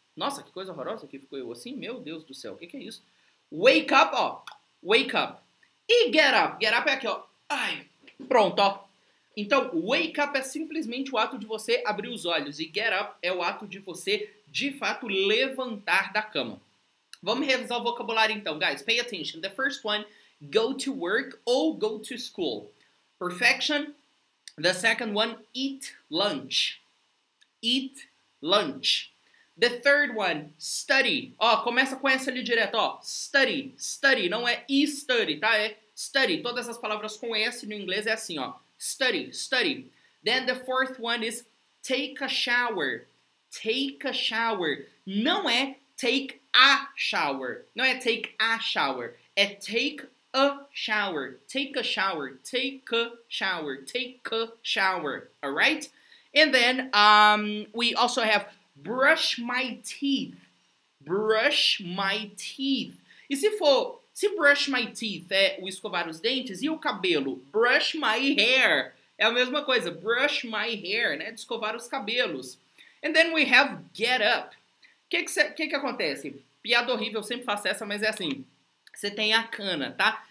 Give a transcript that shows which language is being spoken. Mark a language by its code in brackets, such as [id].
[pt] Nossa, que coisa horrorosa que ficou eu assim. Meu Deus do céu, o que, que é isso? [en] Wake up, ó. Wake up. E get up. Get up [pt] é aqui, ó. Ai, pronto, ó. Então, [en] wake up [pt] é simplesmente o ato de você abrir os olhos. E [en] get up [pt] é o ato de você, de fato, levantar da cama. Vamos revisar o vocabulário então, guys. [en] Pay attention. The first one, go to work ou go to school. Perfection. The second one, eat lunch. Eat lunch. The third one, study. [pt] Ó, começa com essa ali direto, ó. [en] Study, study. [pt] Não é e-study, tá? É study. Todas as palavras com S no inglês é assim, ó. [en] Study, study. Then the fourth one is take a shower. Take a shower. [pt] Não é [en] take a shower. [pt] Não é [en] take a shower. É take a shower. Take a shower. Take a shower. Take a shower. All right? And then we also have brush my teeth. Brush my teeth. [pt] E se for... Se [en] brush my teeth [pt] é o escovar os dentes, e o cabelo? [en] Brush my hair. [pt] É a mesma coisa. [en] Brush my hair, né? [pt] De escovar os cabelos. [en] And then we have get up. [pt] O que, que acontece? Piada horrível, eu sempre faço essa, mas é assim. Você tem a cana, tá?